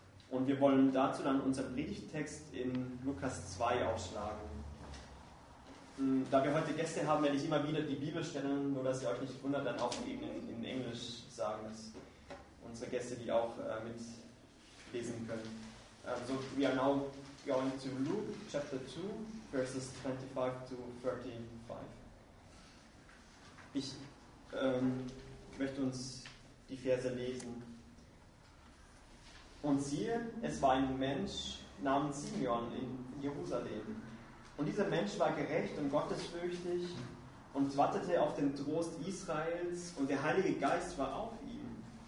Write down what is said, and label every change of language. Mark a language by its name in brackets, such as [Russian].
[German] Und wir wollen dazu dann unseren Predigttext in Lukas 2 aufschlagen. Da wir heute Gäste haben, werde ich immer wieder die Bibelstellen, nur dass ihr euch nicht wundert, dann auch eben in Englisch sagen, dass unsere Gäste die auch mitlesen können. [English] So, we are now going to Luke chapter 2, verses 25 to 35. [German] Ich möchte uns die Verse lesen. Und siehe, es war ein Mensch namens Simeon in Jerusalem. Und dieser Mensch war gerecht und gottesfürchtig und wartete auf den Trost Israels und der Heilige Geist war auf ihm.